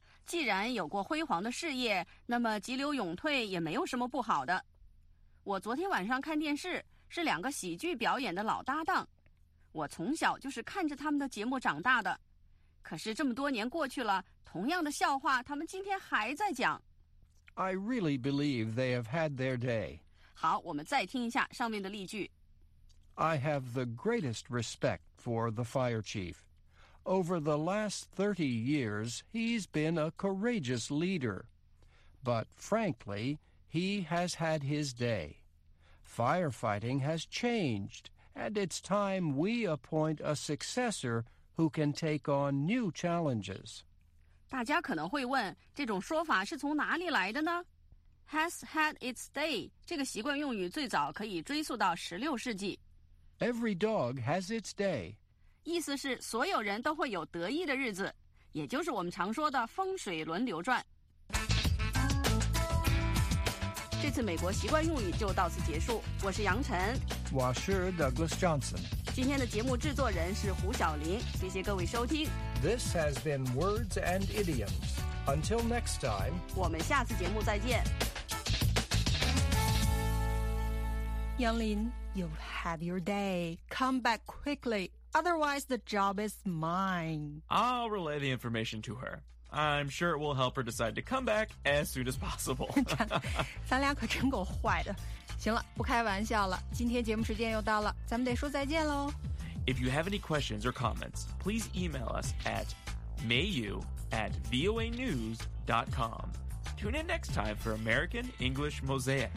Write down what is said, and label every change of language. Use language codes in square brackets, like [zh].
[zh] 既然有过辉煌的事业，那么急流勇退也没有什么不好的。我昨天晚上看电视，是两个喜剧表演的老搭档，我从小就是看着他们的节目长大的。可是这么多年过去了，同样的笑话他们今天还在讲。 [en] I really believe they have had their day. [zh] 好，我们再听一下上面的例句。 [en] I have the greatest respect for the fire chief. Over the last 30 years, he's been a courageous leader. But frankly, he has had his day. Firefighting has changed, and it's time we appoint a successor. Who can take on new challenges? [zh] 大家可能会问，这种说法是从哪里来的呢？ [en] Has had its day [zh] 这个习惯用语最早可以追溯到16世纪。 [en] Every dog has its day. [zh] 意思是所有人都会有得意的日子，也就是我们常说的风水轮流转。这次美国习惯用语就到此结束。我是杨晨，我是 Douglas Johnson。今天的节目制作人是胡晓林，谢谢各位收听。 [en] This has been Words and Idioms. Until next time, [zh] 我们下次节目再见。 [en] 杨林 you have your day. Come back quickly, otherwise the job is mine. I'll relay the information to her. I'm sure it will help her decide to come back as soon as possible. [zh] 咱俩可真够坏的。行了，不开玩笑了，今天节目时间又到了，咱们得说再见喽。 [en] If you have any questions or comments, please email us at mayu@voanews.com. Tune in next time for American English Mosaic.